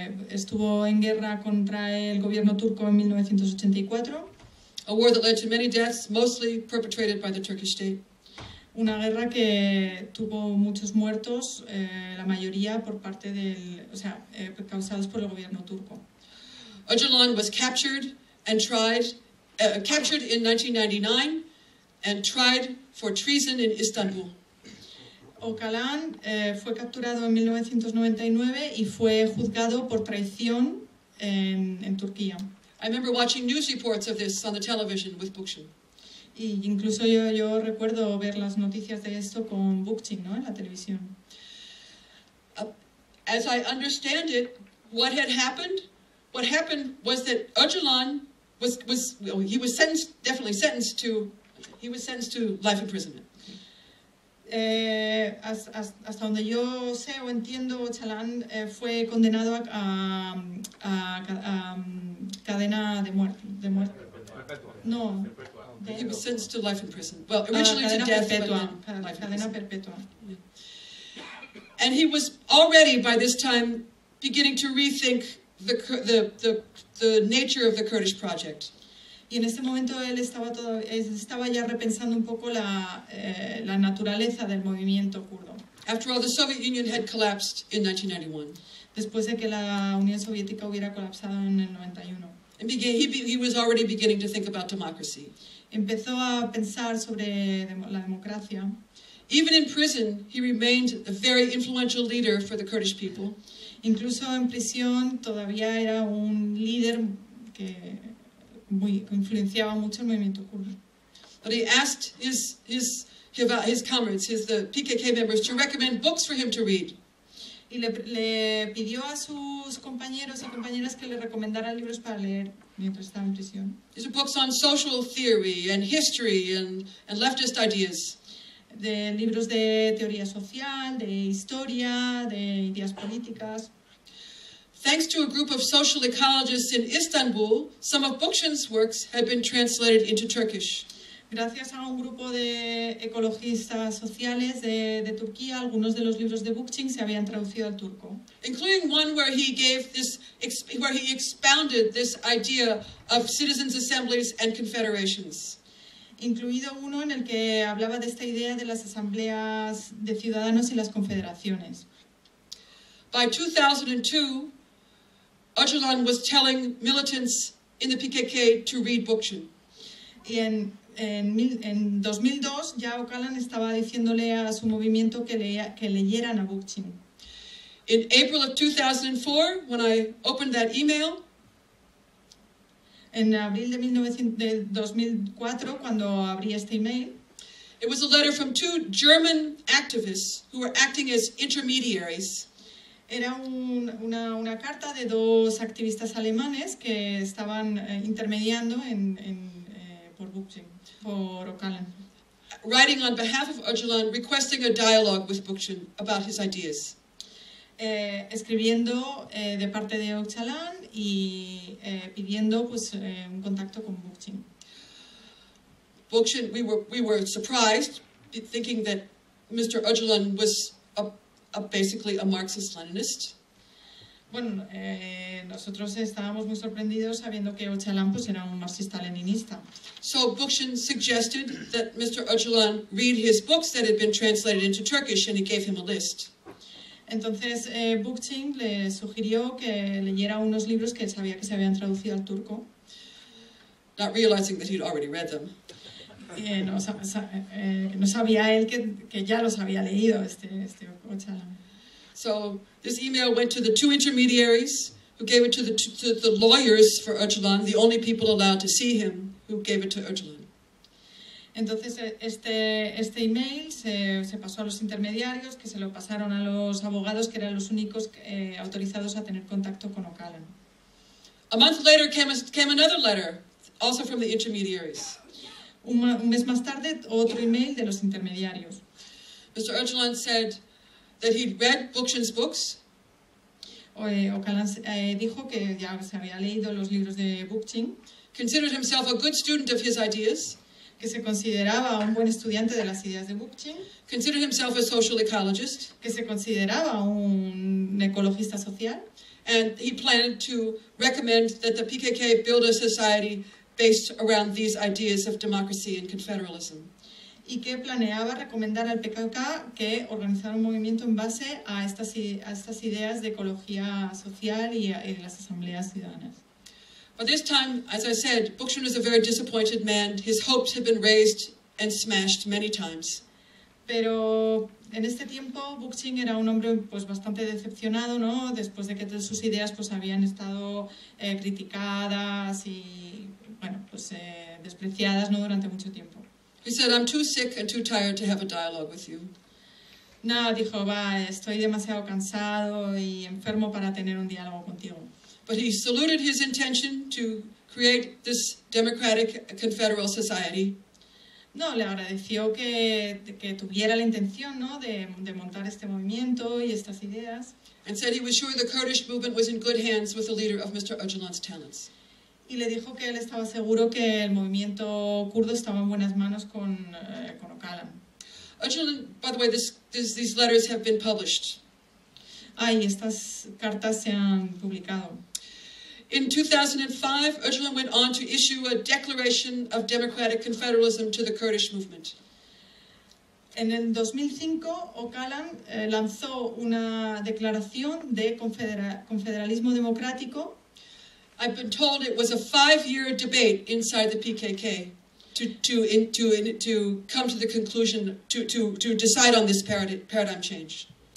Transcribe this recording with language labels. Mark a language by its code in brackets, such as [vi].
[es] Estuvo en guerra contra el gobierno turco en 1984. [en] A war that led to many deaths, mostly perpetrated by the Turkish state. [es] Una guerra que tuvo muchos muertos, la mayoría por parte del, causados por el gobierno turco. [en] Öcalan was captured and tried, captured in 1999. And tried for treason in Istanbul. [es] Öcalan fue capturado en 1999 y fue juzgado por traición en Turquía. [en] I remember watching news reports of this on the television with Bookchin. [es] Y incluso yo recuerdo ver las noticias de esto con Bookchin, ¿no? En la televisión. [en] As I understand it, what happened was that Öcalan was sentenced to life imprisonment. [es] Hasta donde yo sé o entiendo, Öcalan fue condenado a cadena de muerte. De muerte. No. [en] He was sentenced to life in prison. Well, originally to death, [es] perpetua, [en] but life [es] cadena [en] prison. [es] Perpetua. [en] Yeah. And he was already by this time beginning to rethink the nature of the Kurdish project. [es] Y en ese momento él estaba ya repensando un poco la naturaleza del movimiento kurdo. [en] After all, the Soviet Union had collapsed in 1991. [es] Después de que la Unión Soviética hubiera colapsado en el 91. [en] And he was already beginning to think about democracy. [es] Empezó a pensar sobre la democracia. [en] Even in prison, he remained a very influential leader for the Kurdish people. [es] Incluso en prisión todavía era un líder que influenciaba mucho el movimiento kurdo. [en] But he asked his comrades, the PKK members, to recommend books for him to read. [es] Y le pidió a sus compañeros y compañeras que le recomendaran libros para leer mientras estaba en prisión. [en] These are books on social theory and history and leftist ideas. [es] De libros de teoría social, de historia, de ideas políticas. [en] Thanks to a group of social ecologists in Istanbul, some of Bookchin's works had been translated into Turkish. [es] Gracias a un grupo de ecologistas sociales de Turquía, algunos de los libros de Bookchin se habían traducido al turco. [en] Including one where he gave this, where he expounded this idea of citizens' assemblies and confederations. [es] incluido uno en el que hablaba de esta idea de las asambleas de ciudadanos y las confederaciones. [en] By 2002, Öcalan was telling militants in the PKK to read Bookchin. [es] Y en 2002 ya Öcalan estaba diciéndole a su movimiento que leyeran a Bookchin. [en] In April of 2004, when I opened that email, [es] en abril de 2004, cuando abrí este email, [en] it was a letter from two German activists who were acting as intermediaries. [es] Era una carta de dos activistas alemanes que estaban intermediando por Bookchin, por Öcalan. [en] Writing on behalf of Öcalan, requesting a dialogue with Bookchin about his ideas. [es] Escribiendo de parte de Öcalan y pidiendo pues un contacto con Bookchin. [en] Bookchin, we were surprised, thinking that Mr. Öcalan was basically a Marxist-Leninist. [es] Bueno, nosotros estábamos muy sorprendidos sabiendo que Öcalan pues era un marxista-leninista. [en] So Bookchin suggested that Mr. Öcalan read his books that had been translated into Turkish, and he gave him a list. [es] Entonces Bookchin le sugirió que leyera unos libros que él sabía que se habían traducido al turco. [en] Not realizing that he'd already read them. [es] No sabía él que ya los había leído este Öcalan. [en] So this email went to the two intermediaries who gave it to the lawyers for Öcalan, the only people allowed to see him, who gave it to Öcalan. [es] Entonces este email se pasó a los intermediarios, que se lo pasaron a los abogados, que eran los únicos autorizados a tener contacto con Öcalan. [en] A month later came another letter, also from the intermediaries. [es] Un mes más tarde, otro email de los intermediarios. [en] Mr. Öcalan said that he'd read Bookchin's books. [es] Öcalan dijo que ya se había leído los libros de Bookchin. [en] Considered himself a good student of his ideas. [es] Que se consideraba un buen estudiante de las ideas de Bookchin. [en] Considered himself a social ecologist. [es] Que se consideraba un ecologista social. [en] And he planned to recommend that the PKK build a society based around these ideas of democracy and confederalism. [es] Y que planeaba recomendar al PKK que organizara un movimiento en base a estas ideas de ecología social y las asambleas ciudadanas. [en] By this time, as I said, Bookchin was a very disappointed man. His hopes had been raised and smashed many times. [es] Pero en este tiempo, Bookchin era un hombre pues bastante decepcionado, ¿no? Después de que todas sus ideas pues habían estado criticadas y bueno, pues despreciadas, ¿no?, durante mucho tiempo. [en] He said, I'm too sick and too tired to have a dialogue with you. [es] No, dijo, va, estoy demasiado cansado y enfermo para tener un diálogo contigo. [en] But he saluted his intention to create this democratic confederal society. [es] No, le agradeció que tuviera la intención, ¿no?, de montar este movimiento y estas ideas. [en] And said he was sure the Kurdish movement was in good hands with the leader of Mr. Öcalan's talents. [es] Y le dijo que él estaba seguro que el movimiento kurdo estaba en buenas manos con Öcalan. [en] Öcalan, by the way, these letters have been published. [es] Ay, estas cartas se han publicado. [en] In 2005, Öcalan went on to issue a declaration of democratic confederalism to the Kurdish movement. [es] En el 2005, Öcalan lanzó una declaración de confederalismo democrático. [en] I've been told it was a 5-year debate inside the PKK to come to the conclusion to decide on this paradigm change.